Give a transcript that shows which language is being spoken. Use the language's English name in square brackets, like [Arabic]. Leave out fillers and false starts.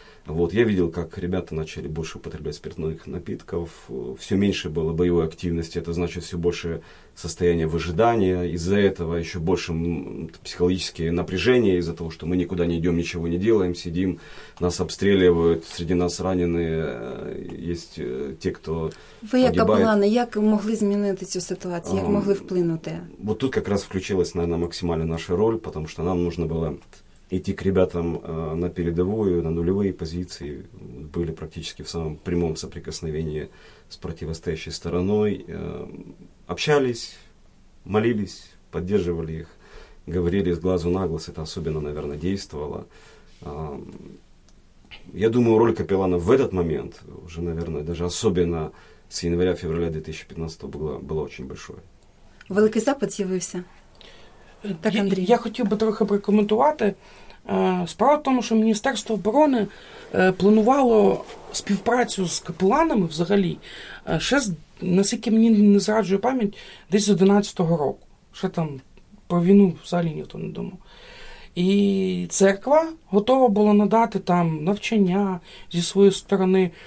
[Russian] Вот, я видел, как ребята начали больше употреблять спиртных напитков, все меньше было боевой активности, это значит все больше состояние выжидания, из-за этого еще больше психологические напряжения, из-за того, что мы никуда не идем, ничего не делаем, сидим, нас обстреливают, среди нас раненые, есть те, кто Вы погибает. [Ukrainian] Яка була, на як могли змінити цю ситуацію, як могли вплинути? [Russian] Вот тут как раз включилась, наверное, максимально наша роль, потому что нам нужно было идти к ребятам на передовую, на нулевые позиции, были практически в самом прямом соприкосновении с противостоящей стороной, общались, молились, поддерживали их, говорили с глазу на глаз, это особенно, наверное, действовало. Я думаю, роль капеллана в этот момент, уже, наверное, даже особенно с января-февраля 2015 года, была очень большой. [Ukrainian] Великий запит з'явився. Так, Андрій. Я хотів би трохи прокоментувати. Справа в тому, що Міністерство оборони планувало співпрацю з капеланами взагалі ще, наскільки мені не зраджує пам'ять, десь з 11-го року. Ще там про війну взагалі ніхто не думав. І церква готова була надати там навчання зі своєї сторони.